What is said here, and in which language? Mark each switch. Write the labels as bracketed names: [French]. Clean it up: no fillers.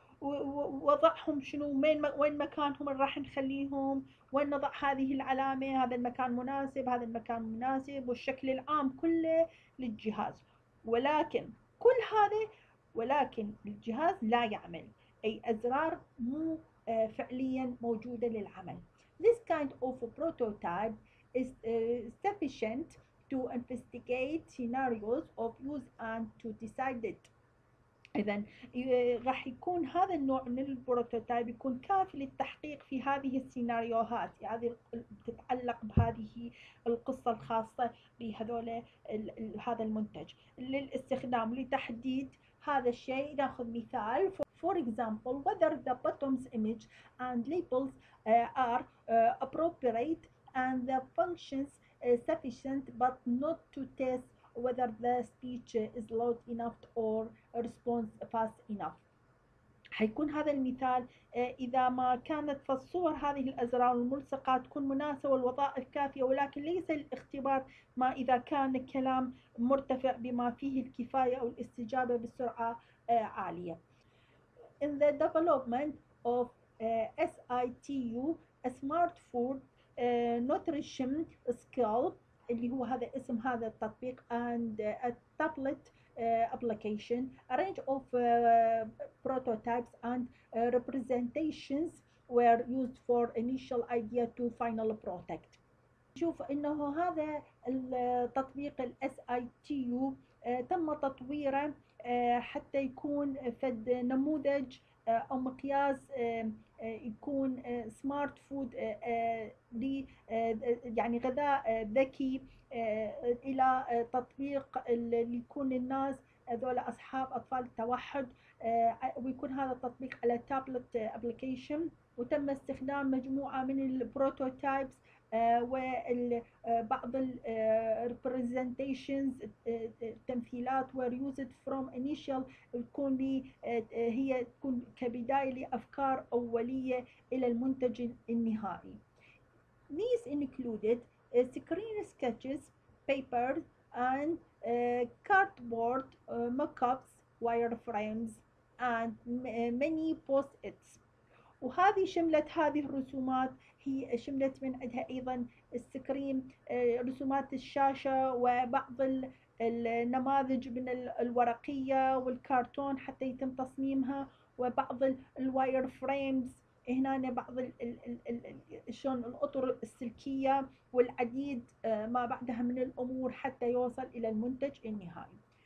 [Arabic] ووضعهم شنو، وين مكانهم اللي راح نخليهم، وين نضع هذه العلامة، هذا المكان مناسب، هذا المكان مناسب، والشكل العام كله للجهاز، ولكن كل هذا، ولكن الجهاز لا يعمل. أي أزرار مو فعلياً موجودة للعمل. [English] This kind of a prototype is sufficient to investigate scenarios of use and to decide it. [Arabic] إذن راح يكون هذا النوع من البروتوتايب يكون كافي للتحقيق في هذه السيناريوهات، هذه يعني تتعلق بهذه القصة الخاصة بهذول هذا المنتج للاستخدام لتحديد هذا الشيء. ناخذ مثال، [English] for example whether the buttons image and labels are appropriate and the functions sufficient but not to test whether the speech is loud enough or response fast enough. [Arabic] حيكون هذا المثال إذا ما كانت في الصور هذه الأزرار الملصقة تكون مناسبة والوظائف كافية، ولكن ليس الاختبار ما إذا كان الكلام مرتفع بما فيه الكفاية أو الاستجابة بسرعة عالية. [English] In the development of SITU, a smart food nutrition skill, [Arabic] اللي هو هذا اسم هذا التطبيق, [English] and a tablet application, a range of prototypes and representations were used for initial idea to final product. [Arabic] نشوف انه هذا التطبيق الـ SITU تم تطويره حتى يكون فد نموذج أو مقياس يكون سمارت فود لي يعني غذاء ذكي إلى تطبيق اللي يكون الناس هذول أصحاب أطفال التوحد، ويكون هذا التطبيق على تابلت أبليكيشن، وتم استخدام مجموعة من البروتوتايبس وبعض الريبريزنتيشنز التمثيلات [English] were used from initial [Arabic] تكون هي تكون كبداية لأفكار أولية إلى المنتج النهائي. [English] These included screen sketches, paper and cardboard mockups, wireframes and many post-its. [Arabic] وهذه شملت هذه الرسومات، هي شملت من عندها ايضا السكرين، رسومات الشاشة وبعض النماذج من الورقية والكارتون حتى يتم تصميمها، وبعض الواير فريمز هنا، بعض شلون الاطر السلكية، والعديد ما بعدها من الامور حتى يوصل الى المنتج النهائي.